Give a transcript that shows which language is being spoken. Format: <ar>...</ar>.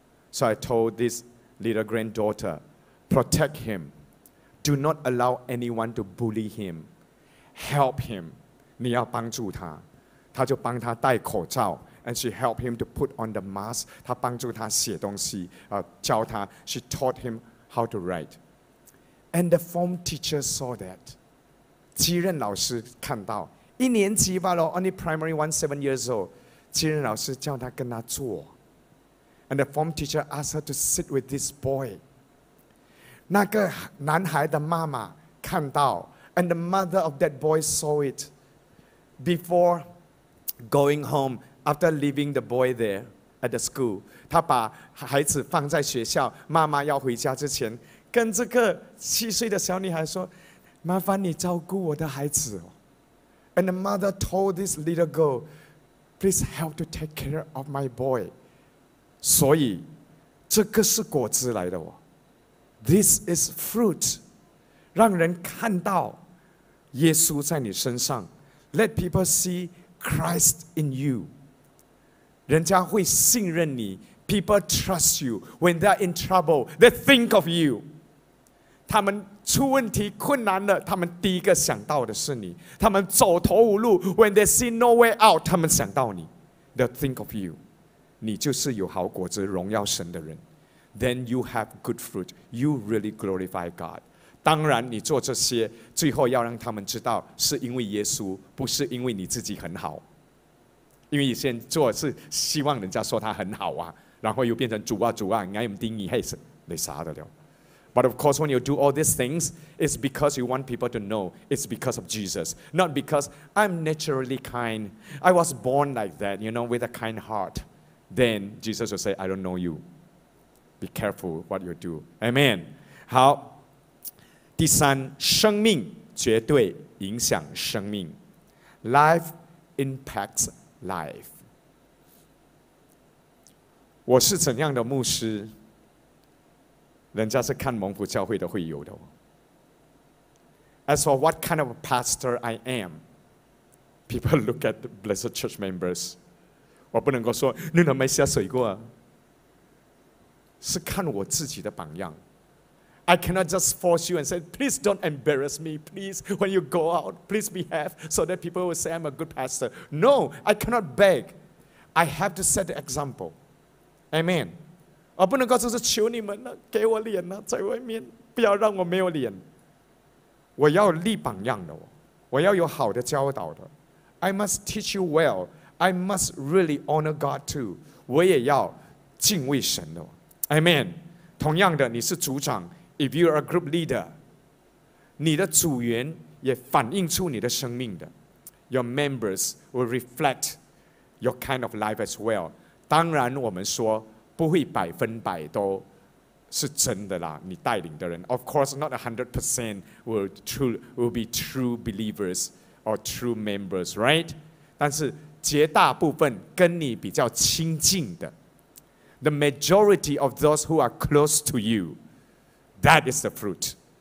<en>So I told this little granddaughter, protect him. Do not allow anyone to bully him. Help him.</en> <zh>你要帮助他。他就帮他戴口罩。</zh> <en>And she helped him to put on the mask.</en> <zh>她帮助他写东西，教他。</zh> <en>She taught him how to write. And the form teacher saw that.</en> <zh>继任老师看到，一年级罢了</zh> <en>，only primary one, 7 years old.</en> <zh>继任老师叫他跟他坐。</zh> <en>And the form teacher asked her to sit with this boy.</en> <zh>那个男孩的妈妈看到</zh> <en>，and the mother of that boy saw it. Before going home. After leaving the boy there at the school,</en> <zh>他把孩子放在学校，妈妈要回家之前，跟这个七岁的小女孩说，麻烦你照顾我的孩子。</zh> <en>And the mother told this little girl, please help to take care of my boy.</en> <zh>所以，这个是果子来的哦。</zh> <en>This is fruit.</en> <zh>让人看到耶稣在你身上。</zh> <en>Let people see Christ in you.</en> <zh>人家会信任你</zh> <en>，people trust you. When they're in trouble, they think of you.</en> <zh>他们出问题困难了，他们第一个想到的是你。他们走投无路</zh> <en>，when they see no way out,</en> <zh>他们想到你</zh> <en>，they think of you.</en> <zh>你就是有好果子、荣耀神的人。</zh> <en>Then you have good fruit. You really glorify God.</en> <zh>当然，你做这些，最后要让他们知道，是因为耶稣，不是因为你自己很好。因为以前做是希望人家说他很好啊，然后又变成主啊主啊，你们定义嘿是你啥的了。</zh> <en>But of course, when you do all these things, it's because you want people to know it's because of Jesus, not because I'm naturally kind. I was born like that, you know, with a kind heart. Then Jesus will say, I don't know you. Be careful what you do. Amen.</en> <zh>好，第三，生命绝对影响生命。</zh> <en>Life impacts. Life.</en> <zh>我是怎样的牧师？人家是看蒙福教会的会友的。</zh> <en>As for what kind of pastor I am, people look at the Blessed Church members.</en> <zh>我不能够说你能没下水过，是看我自己的榜样。</zh> <en>I cannot just force you and say, please don't embarrass me, please, when you go out, please behave so that people will say I'm a good pastor. No, I cannot beg. I have to set the example. Amen.</en> <zh>我不能够就是求你们了，给我脸了，在外面，不要让我没有脸。我要立榜样的，我要有好的教导的。</zh> <en>I must teach you well. I must really honor God too.</en> <zh>我也要敬畏神的。</zh> <en>Amen.</en> <zh>同样的，你是组长 ，</zh> <en>if you are a group leader，</en> <zh>你的组员也反映出你的生命的。</zh> <en>Your members will reflect your kind of life as well.</en> <zh>当然，我们说不会百分百都是真的啦。你带领的人</zh> <en>，of course, not 100% will be true believers or true members, right?</en> <zh>但是绝大部分跟你比较亲近的</zh> <en>，the majority of those who are close to you, that is the fruit.</en>